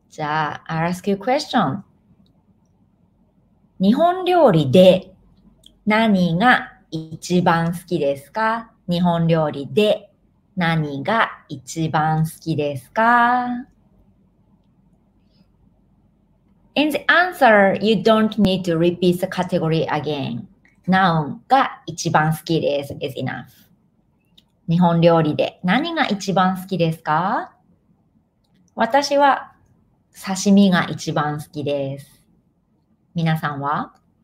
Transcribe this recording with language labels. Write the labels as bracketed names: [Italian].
[Japanese] じゃあ、 [English] I'll ask you a question. [Japanese] 日本料理で何が一番好きですか？日本料理で何が一番好きですか？ [English] In the answer, you don't need to repeat the category again. Noun [Japanese] が一番好きです [English] is enough. [Japanese] 日本料理で何が一番好きですか？私は刺身が一番好きです。皆さんは？